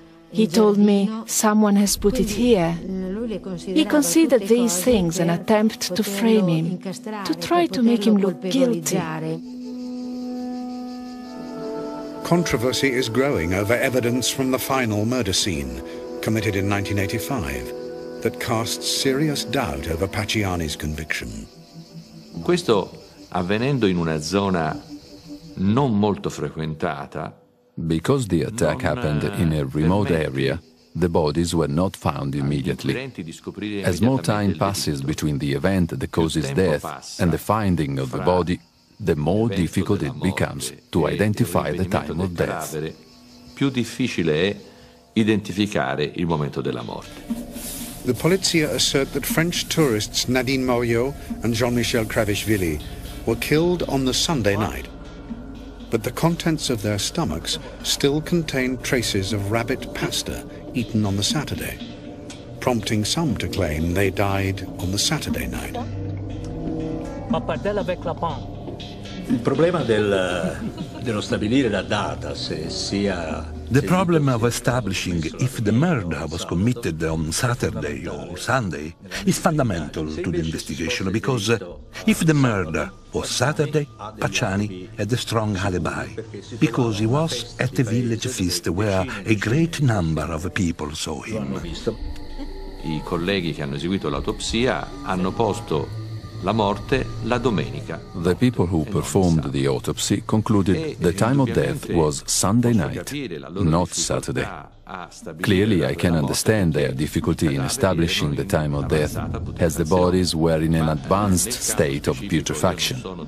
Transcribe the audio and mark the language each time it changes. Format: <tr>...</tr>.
<en>He told me someone has put it here. He considered these things an attempt to frame him, to try to make him look guilty. Controversy is growing over evidence from the final murder scene, committed in 1985, that casts serious doubt over Pacciani's conviction.</en> <it>Questo avvenendo in una zona non molto frequentata.</it> <en>Because the attack happened in a remote area, the bodies were not found immediately. As more time passes between the event that causes death and the finding of the body, the more difficult it becomes to identify the time of death.</en> <it>Più difficile è identificare il momento della morte.</it> <en>The polizia assert that French tourists Nadine Moriot and Jean-Michel Kravishvili were killed on the Sunday night. But the contents of their stomachs still contain traces of rabbit pasta eaten on the Saturday, prompting some to claim they died on the Saturday night. Ma pardella avec la pan.</en> <it>Il problema dello stabilire la data se sia.</it> <en>The problem of establishing if the murder was committed on Saturday or Sunday is fundamental to the investigation because if the murder was Saturday, Pacciani had a strong alibi because he was at the village feast where a great number of people saw him.</en> <it>I colleghi che hanno eseguito l'autopsia hanno posto la morte la domenica.</it> <en>The people who performed the autopsy concluded the time of death was Sunday night, not Saturday. Clearly, I can understand their difficulty in establishing the time of death, as the bodies were in an advanced state of putrefaction.</en>